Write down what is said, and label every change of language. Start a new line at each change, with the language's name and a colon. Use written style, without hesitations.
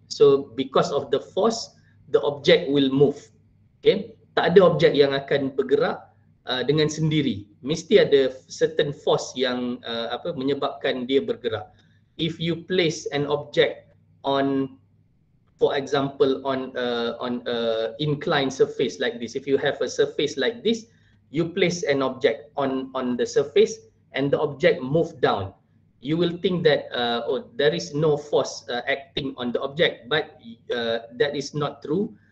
English: So because of the force, the object will move.
Malay: Okay, tak ada objek yang akan bergerak dengan sendiri. Mesti ada certain force yang menyebabkan dia bergerak.
English: If you place an object on, for example, on a inclined surface like this, if you have a surface like this, you place an object on the surface and the object move down, you will think that there is no force acting on the object, but that is not true.